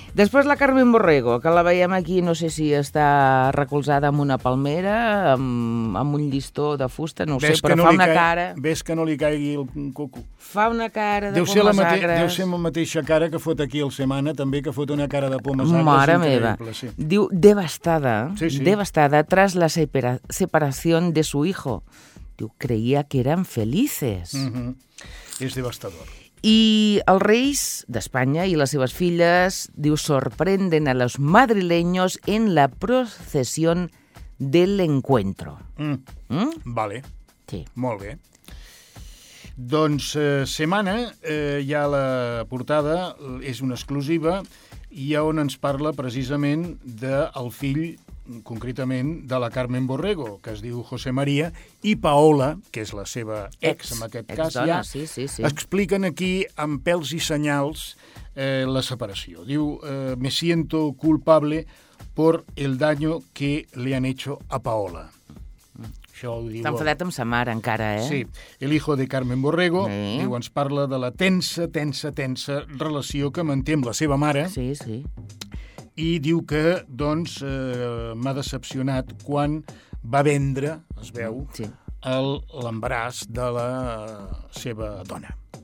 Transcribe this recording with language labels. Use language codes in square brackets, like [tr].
[ca] Després la Carmen Borrego, que la veiem aquí, no sé si està recolzada amb una palmera, amb un llistó de fusta, no ho sé, però no fa una cara... Ves que no li caigui el coco. Fa una cara de pomes agres. Deu ser la mateixa cara que fot aquí el Setmana, també, que fot una cara de pomes agres. Mare meva. Sí. Diu, devastada, sí. [es] Devastada tras la separació de su hijo. [ca] Diu, creia que eren felices. Uh-huh. És devastador. I els reis d'Espanya i les seves filles, diu, [es] sorprenden a los madrileños en la procesión del encuentro. [ca] Vale. Sí. Molt bé. Doncs Setmana, ja la portada és una exclusiva, i on ens parla precisament del fill, concretament, de la Carmen Borrego, que es diu José María, i Paola, que és la seva ex en aquest cas, ja, sí. Expliquen aquí amb pèls i senyals la separació. [es] Diu, me siento culpable por el daño que le han hecho a Paola. [ca] Està enfadat amb sa mare, encara, eh? Sí. [es] El hijo de [ca] Carmen Borrego, diu, ens parla de la tensa relació que manté amb la seva mare. Sí. I diu que, doncs, m'ha decepcionat quan va vendre, es veu, l'embaràs de la seva dona.